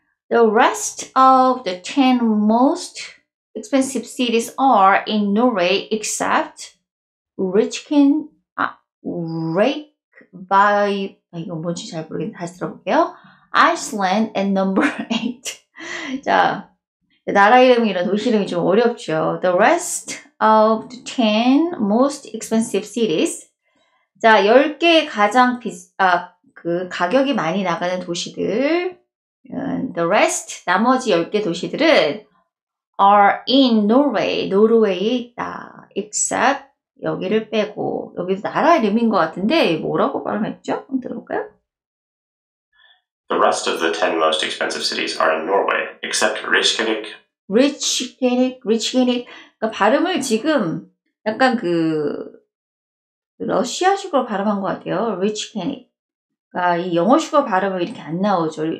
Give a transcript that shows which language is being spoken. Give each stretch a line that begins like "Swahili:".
English: The rest of the 10 most expensive cities are in Norway, except Iceland at number 8.
Korean: 자, 나라 이름이 이런 도시 이름이 좀 어렵죠.
English: The rest of the 10 most expensive cities.
Korean: 자, 10개의 가장 가격이 많이 나가는 도시들. The rest, 나머지 10개 도시들은
English: are in Norway,
Korean: 노르웨이에 있다. Except 여기를 빼고, 여기도 나라 이름인 것 같은데 뭐라고 발음했죠? 한번 들어볼까요?
English: The rest of the 10 most expensive cities are in Norway, except Reykjavik. Reykjavik.
Korean: 그러니까 발음을 지금 약간 그 러시아식으로 발음한 것 같아요.
English: Reykjavik.
Korean: 아, 이 영어식으로 발음은 이렇게 안 나오죠.